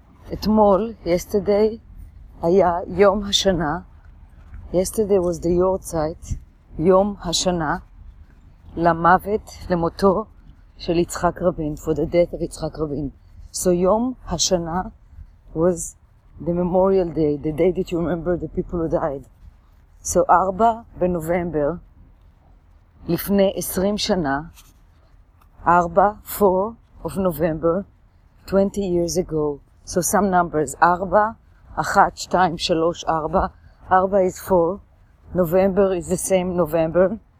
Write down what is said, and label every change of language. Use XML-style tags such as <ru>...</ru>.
<he>Etmol,</he> <en>yesterday,</en> <he>היה יום השנה.</he> <en>Yesterday was the Yortzeit,</en> <he>יום השנה, למוות, למותו של יצחק רבין,</he> <en>for the death of יצחק רבין. So יום השנה was the memorial day, the day that you remember the people who died. So</en> <he>4 בנובמבר, לפני 20 שנה,</he> <en>4 of November, 20 years ago. So some numbers, 4, 1, 2, 3, 4, 4 is 4, November is the same November.</en>